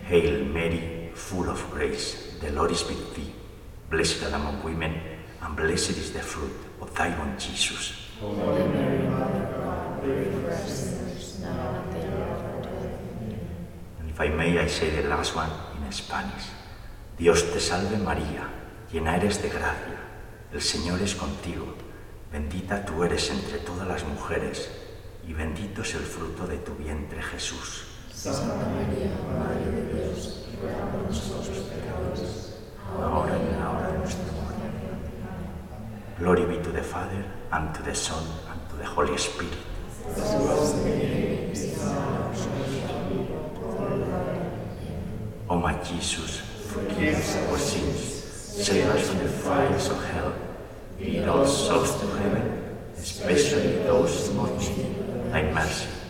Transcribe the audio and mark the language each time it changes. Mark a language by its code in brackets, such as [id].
[en] Hail Mary, full of grace, the Lord is with thee. Blessed art thou among women, and blessed is the fruit of thy womb, Jesus. Holy Mary, Mother of God, pray for us sinners, now and at the hour of our death. Amen. And if I may, I say the last one in Spanish. [es] Dios te salve María, llena eres de gracia, el Señor es contigo, bendita tú eres entre todas las mujeres, y bendito es el fruto de tu vientre Jesús. Santa María, Madre de Dios, ruega por nosotros pecadores, ahora y en la hora de nuestra muerte. Amén. [en] Glory be to the Father, and to the Son, and to the Holy Spirit. Amen. O my Jesus, forgive us our sins, save us from the fires of hell. Lead all souls to heaven, especially those most needy thy mercy.